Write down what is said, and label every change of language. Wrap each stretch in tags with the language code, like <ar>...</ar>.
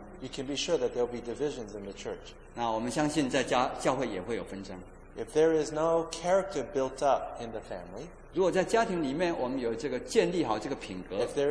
<en>，you can be sure that there will be divisions in the church。</en> <zh>那我们相信在教会也会有纷争。</zh> <en>If there is no character built up in the family,</en> <zh>如果在家庭里面我们有这个建立好这个品格</zh>